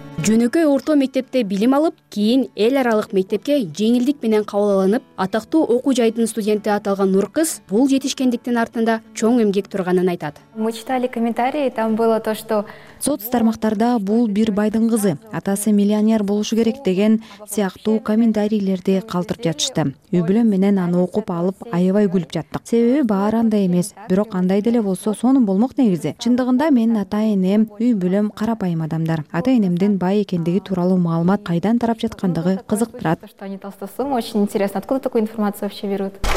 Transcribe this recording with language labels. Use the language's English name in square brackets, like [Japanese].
[Kyrgyz] Жөнөкөй орто мектепте билим алып, кийин эл аралык мектепке жеңилдик менен кабыл алынып, атактуу окуу жайдын студенти аталган Нуркыз бул жетишкендиктин артында чоң эмгек турганын айтат. [Russian] Мы читали комментарии, там было то, что [Kyrgyz] соц тармактарда бул бир байдын кызы, атасы миллионер болушу керек деген сыяктуу комментарийлерди калтырып жатышты. Үй бүлөм менен аны окуп алып, аябай күлүп жаттык. Себеби баары андай эмес, бирок андай деле болсо сонун болмок негизи. Чындыгында менин ата энем, үй бүлөм карапайым адамдар. Ата энемдин бай экендиги тууралуу маалымат кайдан тарап жаткандыгы кызыктырат. [Russian] Они толстосум, очень интересно, откуда такую информацию вообще берут?